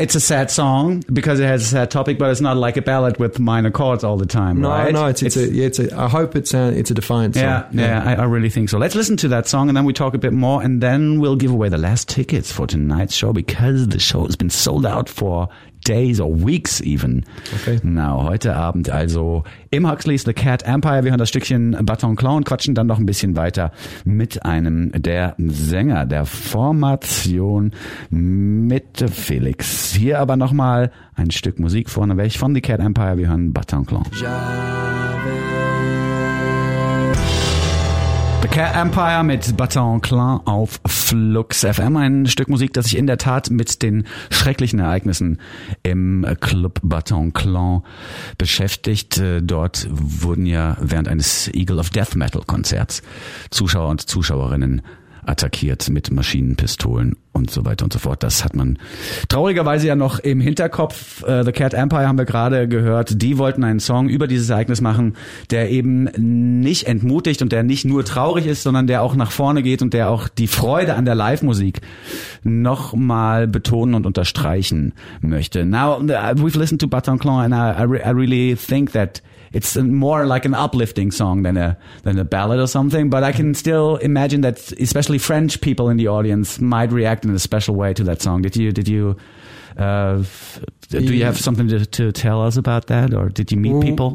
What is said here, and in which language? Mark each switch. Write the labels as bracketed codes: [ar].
[en] It's a sad song because it has a sad topic, but it's not like a ballad with minor chords all the time. I hope it's a defiant song. I really think so. Let's listen to that song and then we talk a bit more, and then we'll give away the last tickets for tonight's show, because the show has been sold out for days or weeks even. Okay. [de] Now, heute Abend also im Huxley's The Cat Empire. Wir hören das Stückchen Baton Clown und quatschen dann noch ein bisschen weiter mit einem der Sänger der Formation, mit Felix. Hier aber nochmal ein Stück Musik vorneweg von The Cat Empire. Wir hören Baton Clown. The Cat Empire mit Baton Clan auf Flux FM. Ein Stück Musik, das ich in der Tat mit den schrecklichen Ereignissen im Club Baton Clan beschäftigt. Dort wurden ja während eines Eagle of Death Metal Konzerts Zuschauer und Zuschauerinnen attackiert mit Maschinenpistolen und so weiter und so fort. Das hat man traurigerweise ja noch im Hinterkopf. The Cat Empire haben wir gerade gehört. Die wollten einen Song über dieses Ereignis machen, der eben nicht entmutigt und der nicht nur traurig ist, sondern der auch nach vorne geht und der auch die Freude an der Live-Musik nochmal betonen und unterstreichen möchte. [en] Now, we've listened to Bataclan and I really think that it's more like an uplifting song than a ballad or something, but I can still imagine that especially French people in the audience might react in a special way to that song. Do you have something to tell us about that, or did you meet people?